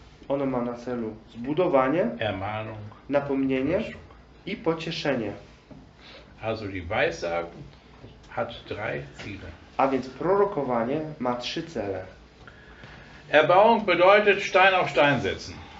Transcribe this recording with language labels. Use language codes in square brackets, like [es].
[pl] Ono ma na celu zbudowanie, [de] Ermahnung. [pl] Napomnienie i pocieszenie. [de] Also die Weissagung hat drei Ziele. [pl] A więc prorokowanie ma trzy cele. [de] Erbauung bedeutet Stein auf Stein setzen.